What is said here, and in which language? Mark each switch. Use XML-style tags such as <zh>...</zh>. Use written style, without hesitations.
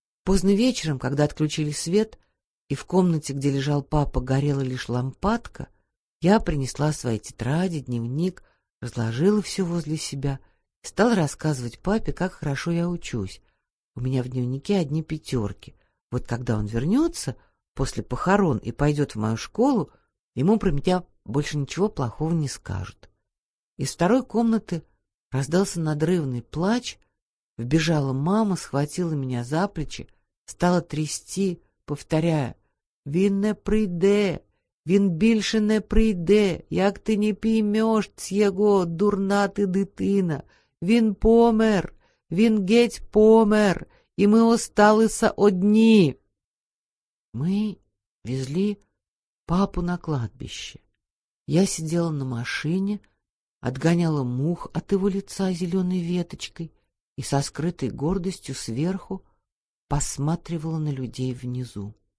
<ru>Поздно вечером, когда отключили свет, и в комнате, где лежал папа, горела лишь лампадка, я принесла свои тетради, дневник, разложила все возле себя, стала рассказывать папе, как хорошо я учусь. У меня в дневнике одни пятерки. Вот когда он вернется после похорон и пойдет в мою школу, ему про меня больше ничего плохого не скажут. Из второй комнаты раздался надрывный плач. Вбежала мама, схватила меня за плечи, стала трясти, повторяя:</ru> <uk>«Він не прийде, він більше не прийде, як ти не піймеш цього, дурна ти дитина, він помер, він геть помер, і ми осталися одні».</uk> <ru>Мы везли папу на кладбище. Я сидела на машине, отгоняла мух от его лица зеленой веточкой и со скрытой гордостью сверху посматривала на людей внизу.</ru>